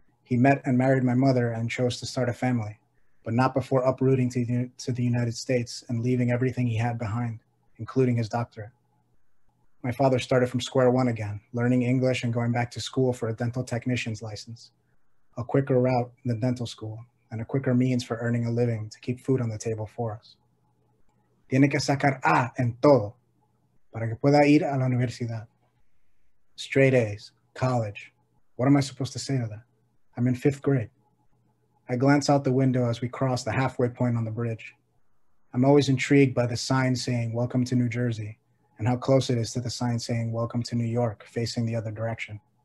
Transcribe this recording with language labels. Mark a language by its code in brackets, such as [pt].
[en] He met and married my mother and chose to start a family, but not before uprooting to the United States and leaving everything he had behind, including his doctorate. My father started from square one again, learning English and going back to school for a dental technician's license, a quicker route than dental school, and a quicker means for earning a living to keep food on the table for us. [es] Tiene que sacar A en todo. Para que pueda ir a la universidad. [en] Straight A's, college. What am I supposed to say to that? I'm in fifth grade. I glance out the window as we cross the halfway point on the bridge. I'm always intrigued by the sign saying, welcome to New Jersey, and how close it is to the sign saying, welcome to New York, facing the other direction.